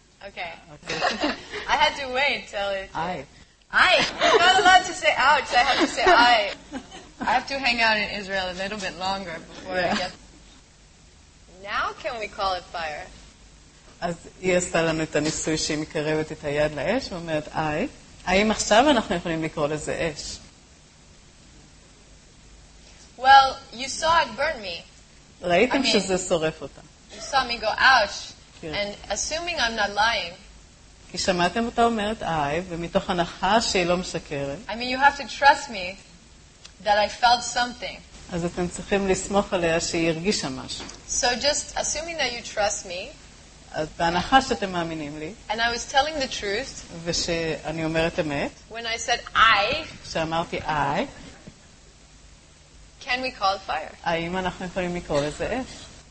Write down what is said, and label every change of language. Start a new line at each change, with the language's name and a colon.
English: Okay. I had to wait till it. I. I'm not allowed to say ouch. I have to say I. I have to hang out in Israel a little bit longer before I get. Now can we call it fire?
Hebrew: אז היא עשתה לנו את הניסוי שהיא מקרבת את היד לאש ואומרת I. האם עכשיו אנחנו יכולים לקרוא לזה אש?
English: Well, you saw it burn me.
Hebrew: ראיתם שזה שורף אותה.
English: You saw me go ouch. And assuming I'm not lying.
Hebrew: כי שמעתם אותה אומרת איי, ומתוך הנחה שהיא לא משקרת.
English: I mean, you have to trust me that I felt something.
Hebrew: אז אתם צריכים לסמוך עליה שהיא הרגישה משהו.
English: So just assuming that you trust me.
Hebrew: אז בהנחה שאתם מאמינים לי.
English: And I was telling the truth.
Hebrew: ושאני אומרת אמת.
English: When I said איי.
Hebrew: שאמרתי איי.
English: Can we call fire?
Hebrew: האם אנחנו יכולים לקרוא לזה אש?